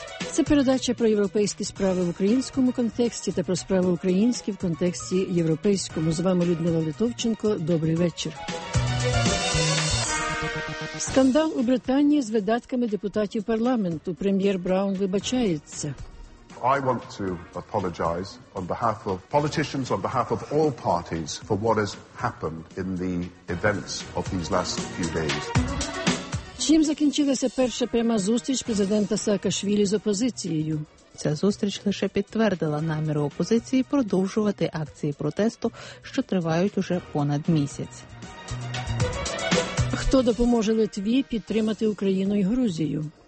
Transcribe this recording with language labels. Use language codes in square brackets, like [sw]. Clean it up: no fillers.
[uk] Це передача про європейські справи в українському контексті та про справи українські в контексті європейському. З вами Людмила Литовченко. Добрий вечір. Скандал у Британії з видатками депутатів парламенту. Прем'єр Браун вибачається. [en] I want to apologize on behalf of politicians, on behalf of all parties, for what has happened in the events of these last few days. [uk] Чим закінчилася перша пряма зустріч президента Саакашвілі з опозицією? Ця зустріч лише підтвердила наміри опозиції продовжувати акції протесту, що тривають уже понад місяць. Хто допоможе Литві підтримати Україну і Грузію?